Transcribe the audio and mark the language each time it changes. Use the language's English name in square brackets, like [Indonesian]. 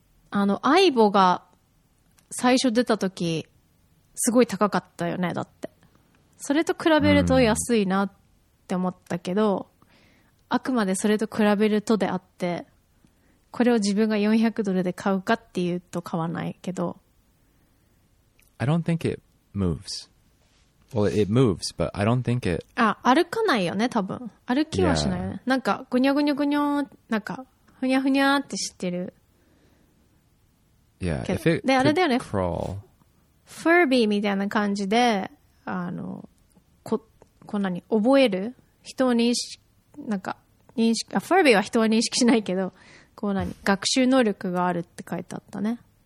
[Japanese] あの、アイボが最初出た時、すごい高かったよね、だって。それと比べると安いなって思ったけど、あくまでそれと比べるとであって、これを自分が400ドルで買うかっていうと買わないけど。 [English] I don't think it moves. Well, it moves, but I don't think it... [Japanese] あ、歩かないよね、多分。歩きはしないよね。なんか、ぐにゃぐにゃぐにゃ、なんか、ふにゃふにゃってしてる。 [English] Yeah, if it could crawl... [Japanese] フーービーみたいな感じで、あの、こんなに覚える人を認識、なんか、認識、あ、フーービーは人は認識しないけど、こう何学習能力があるって書いてあったね。